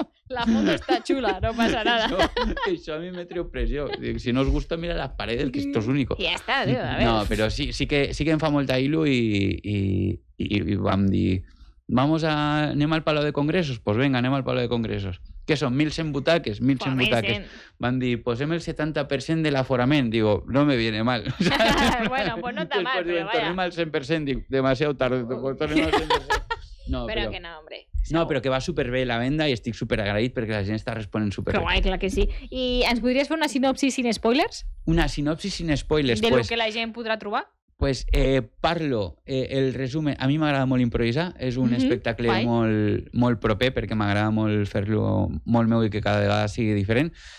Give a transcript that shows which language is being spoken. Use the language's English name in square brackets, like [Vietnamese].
[Catalan] La foto està xula, no passa nada. Això a mi me treu pressió. Si no us gusta, mira les parets, [Spanish] que esto es único. [Catalan] Ja està, tio, a veure. No, però sí que em fa molta il·lu i vam dir, anem al Palau de Congressos? Pues venga, anem al Palau de Congressos. que són 1.100 butaques, 1.100 butaques, van dir, posem el 70% de l'aforament. [Spanish] Digo, no me viene mal. Bueno, pues no está mal, pero vaya. [Catalan] Tornem al 100%, dic, demasiado tarde. Tornem al 100%. No, però que no, hombre. No, però que va superbé la venda i estic superagraït perquè la gent està responent superbé. Que guai, clar que sí. I ens podries fer una sinopsi sin spoilers? Una sinopsi sin spoilers. De lo que la gent podrà trobar? Pues parlo, el resum, a mi m'agrada molt improvisar, és un espectacle molt, molt proper perquè m'agrada molt fer-lo molt meu i que cada vegada sigui diferent.